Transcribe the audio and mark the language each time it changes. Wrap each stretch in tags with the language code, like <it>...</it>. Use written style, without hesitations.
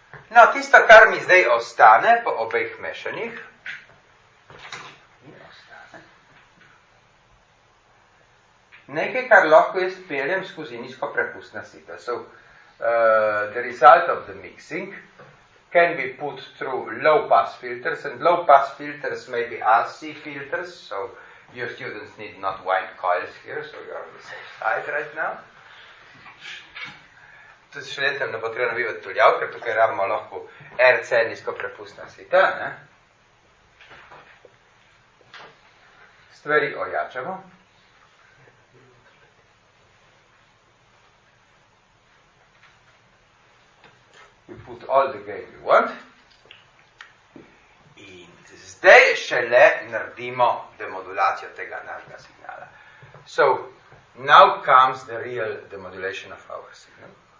<sl>No, tisto, kar mi zdaj ostane po obeh mešanjih, nekaj, kar lahko jaz peljem skozi nizko prepustna sita.</sl> <en>So, the result of the mixing can be put through low-pass filters, and low-pass filters may be RC filters, so your students need not wind coils here, so you are on the safe side right now.</en> <sl>Tudi študentem ne bo treba navivati tuljav, ker tukaj rabimo lahko RC nizko prepustna sita. Ne? Stvari ojačamo.</sl> <en>You put all the gain you want.</en> <sl>In zdaj šele naredimo demodulacijo tega našega signala.</sl> <en>So, now comes the real demodulation of our signal.</en>